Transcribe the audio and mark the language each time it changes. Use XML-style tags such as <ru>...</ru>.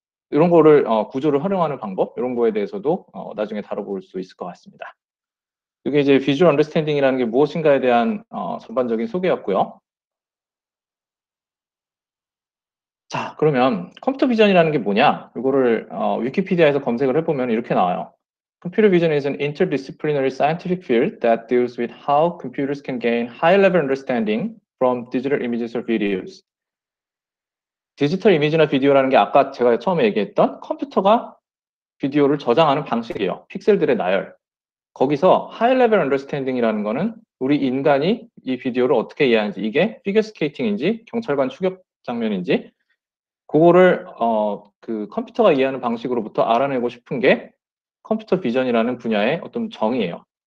<ko>이런 거를 구조를 활용하는 방법, 이런 거에 대해서도 나중에 다뤄볼 수 있을 것 같습니다. 이게 이제 비주얼 언더스탠딩이라는 게 무엇인가에 대한 전반적인 소개였고요. 자, 그러면 컴퓨터 비전이라는 게 뭐냐? 이거를 위키피디아에서 검색을 해보면 이렇게 나와요.</ko> <en>Computer vision is an interdisciplinary scientific field that deals with how computers can gain high-level understanding from digital images or videos.</en> <ko>디지털 이미지나 비디오라는 게 아까 제가 처음에 얘기했던 컴퓨터가 비디오를 저장하는 방식이에요. 픽셀들의 나열. 거기서 high-level understanding이라는 거는 우리 인간이 이 비디오를 어떻게 이해하는지, 이게 피겨 스케이팅인지, 경찰관 추격 장면인지, 그거를 그 컴퓨터가 이해하는 방식으로부터 알아내고 싶은 게 컴퓨터 비전이라는 분야의 어떤 정의예요.</ko>